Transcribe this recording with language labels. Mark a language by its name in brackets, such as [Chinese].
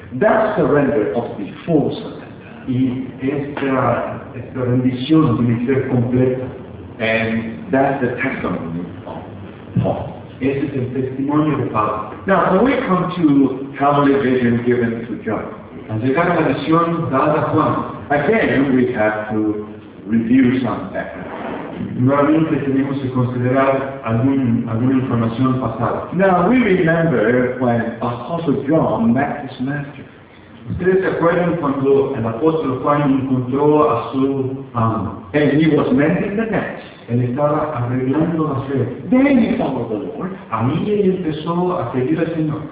[English] That surrender of the full surrender. [Spanish] Y esta rendición debe ser completa. [English] And that's the testimony of Paul. [Spanish] Ese es el testimonio de Pablo. [English] Now, when we come to heavenly vision given to John, [Spanish] al llegar a la visión dada a Juan, [English] again, we have to review some background. [Spanish] Nuevamente tenemos que considerar alguna información pasada. [English] Now, we remember when Apostle John met his master. [Spanish] ¿Ustedes se acuerdan cuando el apóstol Juan encontró a su amo? [English] And he was mending the net. [Spanish] Él estaba arreglando la fe. [English] Then he followed the Lord. [Spanish] A mí él empezó a seguir al Señor.